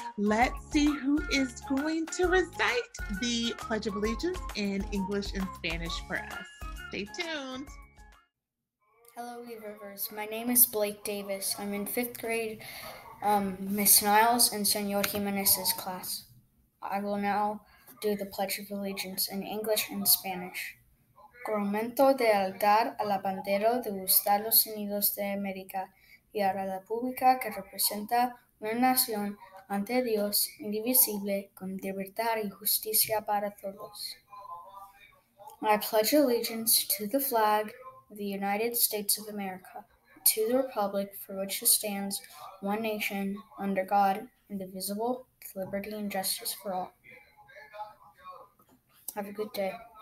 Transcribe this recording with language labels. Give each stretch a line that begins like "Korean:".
English: Let's see who is going to recite the Pledge of Allegiance in English and Spanish for us. Stay tuned. Hello, eRivers. My name is Blake Davis. I'm in fifth grade, Ms. Niles and Senor Jimenez's class. I will now do the Pledge of Allegiance in English and Spanish.
Spanish: Juramento de altar a la bandera de Estados Unidos de América y a la República que representa una nación ante Dios indivisible con libertad y justicia para todos.
English: I pledge allegiance to the flag the United States of America, to the Republic for which it stands, one nation, under God, indivisible, with liberty and justice for all. Have a good day.